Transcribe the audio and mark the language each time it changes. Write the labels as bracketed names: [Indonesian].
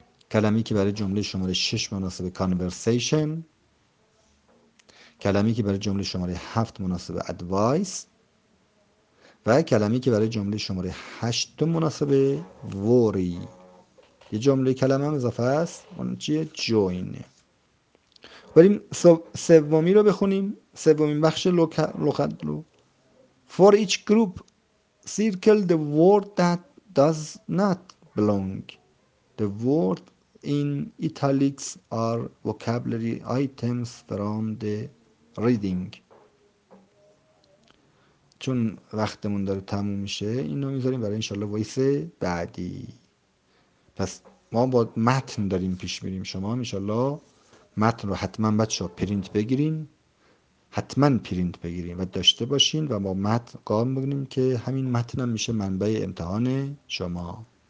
[Persian] کلمه ای که برای جمله شماره 6 مناسبه conversation، کلمه‌ای که برای جمله شماره 7 مناسب ادوایس، و کلمه‌ای که برای جمله شماره 8 مناسب وری. یه جمله کلمه هم اضافه است، اون چیه؟ جوین. بریم سومی رو بخونیم، سومین بخش لغت رو. [English] For each group circle the word that does not belong. The word in italics are vocabulary items from the reading. [Persian] چون وقتمون داره تموم میشه، اینو میذاریم برای انشالله وایس بعدی. پس ما با متن داریم پیش میریم، شما انشالله متن رو حتما بچه ها پرینت بگیرین، حتما پرینت بگیرین و داشته باشین و با متن قام بگیریم، که همین متن هم میشه منبع امتحان شما.